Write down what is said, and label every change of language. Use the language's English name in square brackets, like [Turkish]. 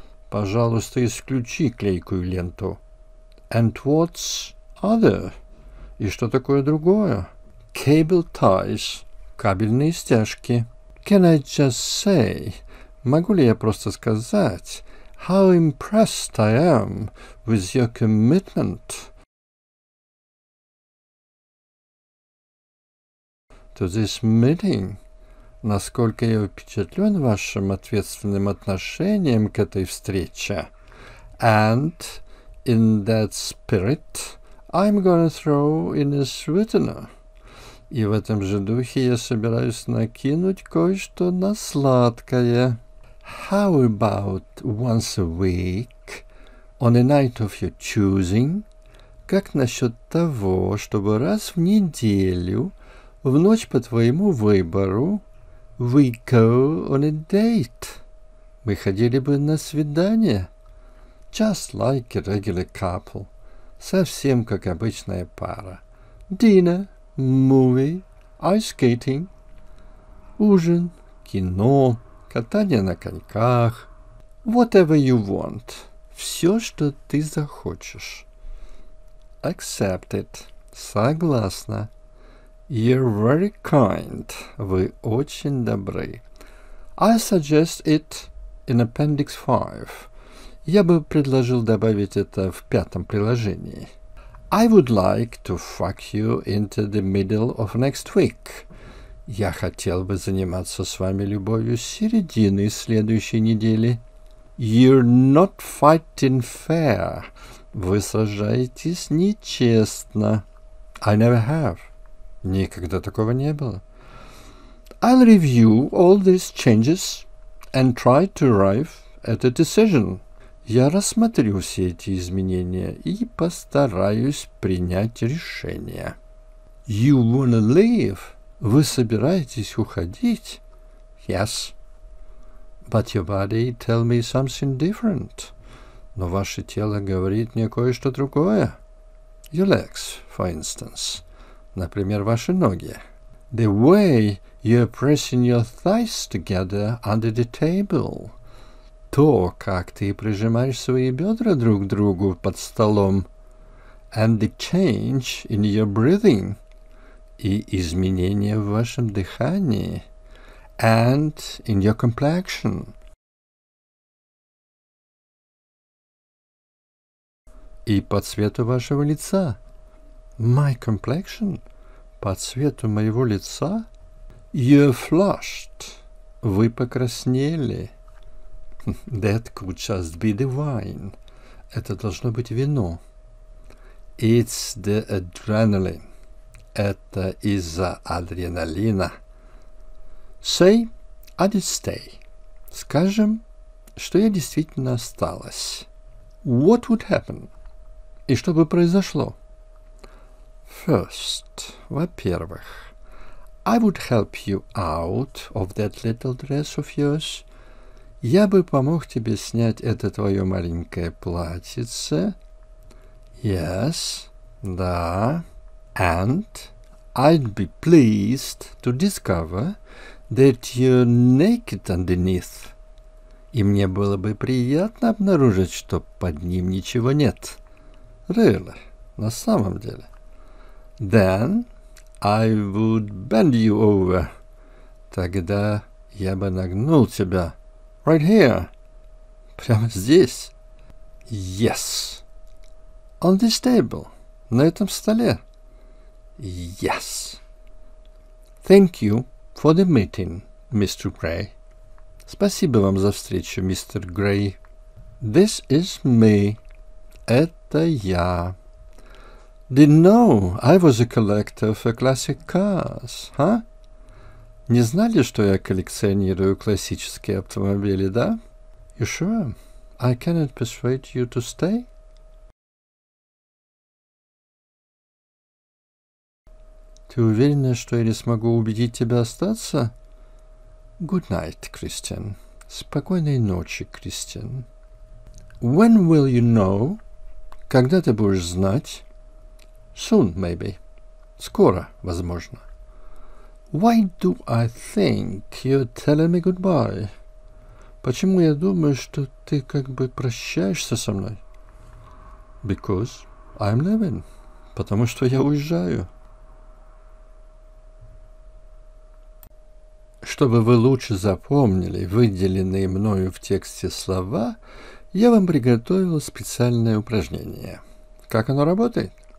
[Russian] Пожалуйста, исключи клейкую ленту. [English] And what's other? [Russian] И что такое другое? [English] Cable ties. [Russian] Кабельные стяжки. [English] Can I just say? [Russian] Могу ли я просто сказать? [English] How impressed I am with your commitment to this meeting. [Russian] Насколько я впечатлен вашим ответственным отношением к этой встрече. [English] And in that spirit, I'm gonna throw in a sweetener. [Russian] И в этом же духе я собираюсь накинуть кое-что на сладкое. [English] How about once a week, on a night of your choosing? [Russian] Как насчет того, чтобы раз в неделю, в ночь по твоему выбору, [English] we go on a date? [Russian] Мы ходили бы на свидание. [English] Just like a regular couple. [Russian] Совсем как обычная пара. [English] Dinner, movie, ice skating. [Russian] Ужин, кино, катание на коньках. [English] Whatever you want. [Russian] Все, что ты захочешь. [English] Accepted. [Russian] Согласна. [English] You're very kind. [Russian] Вы очень добры. [English] I suggest it in Appendix 5. [Russian] Я бы предложил добавить это в пятом приложении. [English] I would like to fuck you into the middle of next week. [Russian] Я хотел бы заниматься с вами любовью с середины следующей недели. [English] You're not fighting fair. [Russian] Вы сражаетесь нечестно. [English] I never have. [Russian] Никогда такого не было. [English] I'll review all these changes and try to arrive at a decision. [Russian] Я рассмотрю все эти изменения и постараюсь принять решение. [English] You wanna leave? [Russian] Вы собираетесь уходить? [English] Yes. But your body tell me something different. [Russian] Но ваше тело говорит мне кое-что другое. [English] Your legs, for instance. [Russian] Например, ваши ноги. [English] The way you're pressing your thighs together under the table. [Russian] То, как ты прижимаешь свои бедра друг к другу под столом. [English] And the change in your breathing. [Russian] И изменения в вашем дыхании. [English] And in your complexion. [Russian] И по цвету вашего лица. [English] My complexion. [Russian] По цвету моего лица. [English] You're flushed. [Russian] Вы покраснели. [English] That could just be the wine. [Russian] Это должно быть вино. [English] It's the adrenaline. [Russian] Это из-за адреналина. [English] Say, I did stay. [Russian] Скажем, что я действительно осталась. [English] What would happen? [Russian] И что бы произошло? [English] First, [Russian] во-первых, [English] I would help you out of that little dress of yours. [Russian] Я бы помог тебе снять это твое маленькое платьице. [English] Yes, [Russian] да. [English] And I'd be pleased to discover that you're naked underneath. [Russian] И мне было бы приятно обнаружить, что под ним ничего нет. [English] Really, [Russian] на самом деле. [English] Then I would bend you over. [Russian] Тогда я бы нагнул тебя. [English] Right here. [Russian] Прямо здесь. [English] Yes. On this table. [Russian] На этом столе. [English] Yes. Thank you for the meeting, Mr. Gray. [Russian] Спасибо вам за встречу, мистер Грей. [English] This is me. [Russian] Это я. [English] Didn't know I was a collector for classic cars, huh? [Russian] Не знали, что я коллекционирую классические автомобили, да? [English] You sure? I cannot persuade you to stay. [Russian] Ты уверена, что я не смогу убедить тебя остаться? [English] Good night, Christian. [Russian] Спокойной ночи, [English] Christian. When will you know? [Russian] Когда ты будешь знать? [English] Soon, maybe. [Russian] Скоро, возможно. [English] Why do I think you're telling me goodbye? [Russian] Почему я думаю, что ты как бы прощаешься со мной? [English] Because I'm leaving. [Russian] Потому что я уезжаю. Чтобы вы лучше запомнили выделенные мною в тексте слова, я вам приготовил специальное упражнение. Как оно работает?